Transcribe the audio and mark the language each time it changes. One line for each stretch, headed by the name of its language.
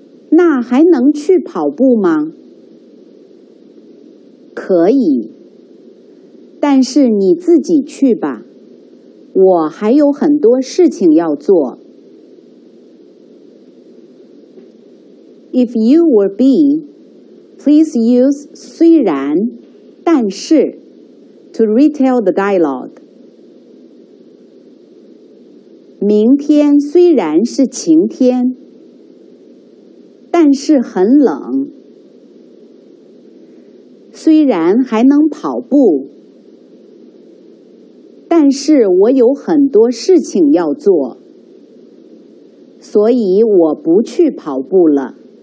Chinese: 那还能去跑步吗？可以，但是你自己去吧，我还有很多事情要做。
English: If you were be, please use 虽然、但是 to retell the dialogue.
Chinese: 明天虽然是晴天，但是很冷。虽然还能跑步，但是我有很多事情要做，所以我不去跑步了。